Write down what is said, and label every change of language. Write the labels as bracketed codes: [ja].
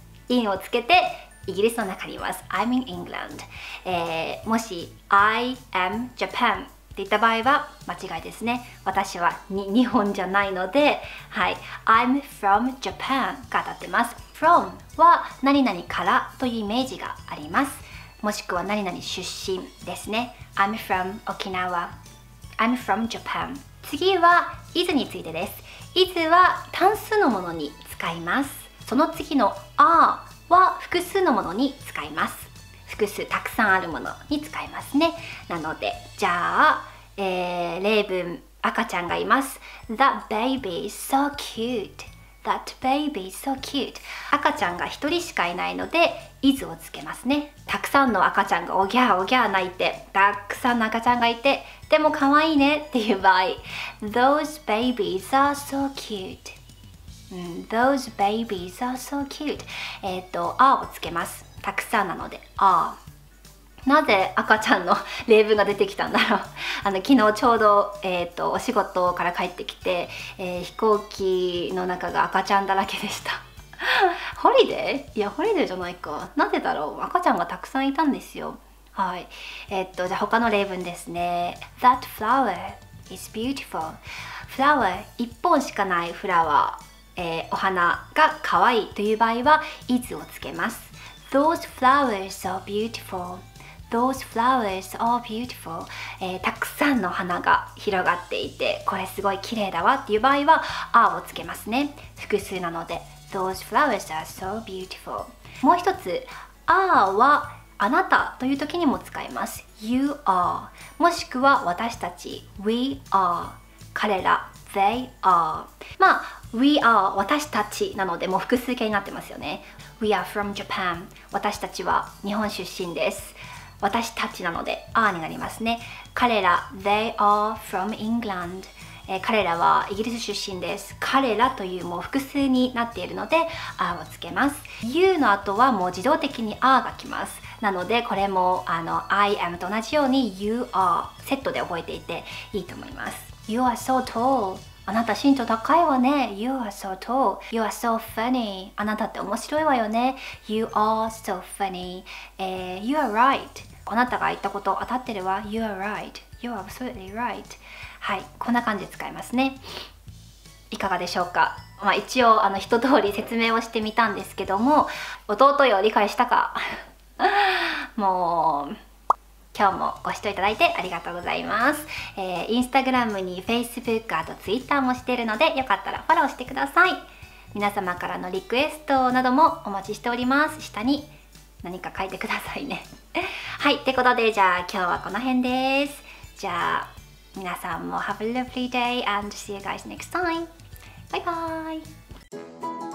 [ja] in をつけてイギリスの中にいます。 [en] I'm in England、 [ja] もし [en] I am Japan [ja] って言った場合は間違いですね。私は日本じゃないので、はい、 [en] I'm from Japan [ja] が当たってます。 from は何々からというイメージがあります。もしくは何々出身ですね。 [en] I'm from Okinawa、 I'm from Japan。 [ja] 次は is についてです。is は単数のものに使います。その次の are は複数のものに使います。複数たくさんあるものに使いますね。なのでじゃあ、例文、赤ちゃんがいます。 [en] That baby is so cute. That baby is so cute. [ja] 赤ちゃんが一人しかいないので is をつけますね。たくさんの赤ちゃんがおぎゃおぎゃ泣いて、たくさんの赤ちゃんがいてでも可愛いねっていう場合、 [en] Those babies are so cute. Those babies are so cute. [ja] are をつけます。たくさんなので are。なぜ赤ちゃんの例文が出てきたんだろう。あの昨日ちょうど、お仕事から帰ってきて、飛行機の中が赤ちゃんだらけでした。ホリデー？いやホリデーじゃないか。なぜだろう。赤ちゃんがたくさんいたんですよ。はい。じゃあ他の例文ですね。 [en] That flower is beautiful. [ja] Flower、一本しかないフラワー、お花が可愛いという場合は is をつけます。 [en] Those flowers are beautiful. Those flowers are beautiful.、 [ja] たくさんの花が広がっていて、これすごい綺麗だわっていう場合は are をつけますね。複数なので [en] Those flowers are so beautiful. [ja] もう一つ are はあなたという時にも使います。 [en] You are [ja] もしくは私たち [en] We are 彼ら They are。 [ja] まあ We are 私たちなのでもう複数形になってますよね。 [en] We are from Japan [ja] 私たちは日本出身です。私たちなので are になりますね。彼ら [en] they are from England、 [ja] 彼らはイギリス出身です。彼らというもう複数になっているので are をつけます。 you の後はもう自動的に are がきます。なのでこれもあの I am と同じように you are セットで覚えていていいと思います。 [en] you are so tall、 [ja] あなた身長高いわね。 [en] you are so tall。 you are so funny、 [ja] あなたって面白いわよね。 [en] you are so funny、you are right、 [ja] あなたが言ったこと当たってるわ。 [en] you are right、 you are absolutely right。 [ja] はい、こんな感じで使いますね。いかがでしょうか。まあ、一応あの一通り説明をしてみたんですけども、弟よ理解したか。もう今日もご視聴いただいてありがとうございます。インスタグラムに Facebook、 あと Twitter もしているので、よかったらフォローしてください。皆様からのリクエストなどもお待ちしております。下に何か書いてくださいね。はい、ってことでじゃあ今日はこの辺です。じゃあ皆さんも [en] Have a lovely day and see you guys next time. Bye bye.